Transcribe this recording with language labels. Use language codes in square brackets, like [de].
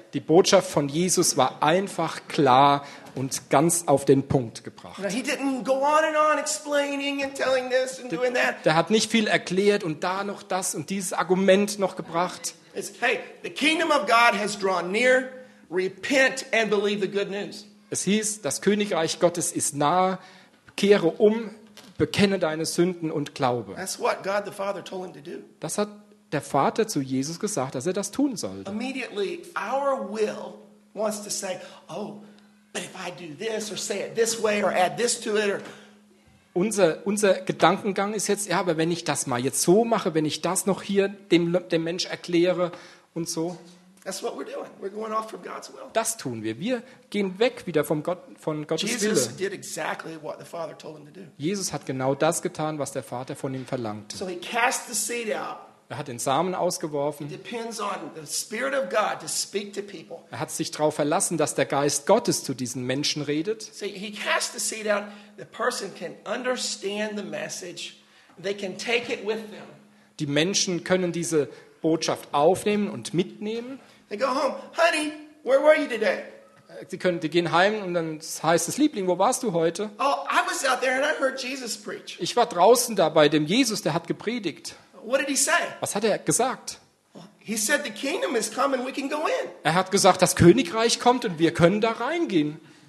[de] Die Botschaft von Jesus war einfach, klar und ganz auf den Punkt gebracht. [en] Now, he didn't go on and on explaining and telling this and doing that. [de] Der hat nicht viel erklärt und da noch das und dieses Argument noch gebracht. [en] It's, hey, the kingdom of God has drawn near, repent and believe the good news. [de] Es hieß, das Königreich Gottes ist nah, kehre um, bekenne deine Sünden und glaube. [en] That's what God the Father told him to do. [de] Das hat der Vater zu Jesus gesagt, dass er das tun sollte. [en] Immediately our will wants to say, oh, but if I do this or say it this way or add this to it or [de] Unser Gedankengang ist jetzt, ja, aber wenn ich das mal jetzt so mache, wenn ich das noch hier dem Mensch erkläre und so. [en] That's what we're doing. We're going off from God's will. [de] Das tun wir. Wir gehen weg wieder von Gottes Jesus Wille. [en] Jesus did exactly what the Father told him to do. [de] Jesus hat genau das getan, was der Vater von ihm verlangte. [en] So he cast the seed out. [de] Er hat den Samen ausgeworfen. [en] It depends on the Spirit of God to speak to people. [de] Er hat sich darauf verlassen, dass der Geist Gottes zu diesen Menschen redet. [en] So he cast the seed out. The person can understand the message. They can take it with them. [de] Die Menschen können diese Botschaft aufnehmen und mitnehmen. [en] They go home, honey. Where were you today? [de] Sie gehen heim und dann heißt es, Liebling, wo warst du heute? [en] Oh, I was out there and I heard Jesus preach. [de] Ich war draußen da bei dem Jesus, der hat gepredigt. [en] What did he say? [de] Was hat er gesagt? [en] He said the kingdom is come and we can go in. [de] Er hat gesagt, das Königreich kommt und wir können da reingehen.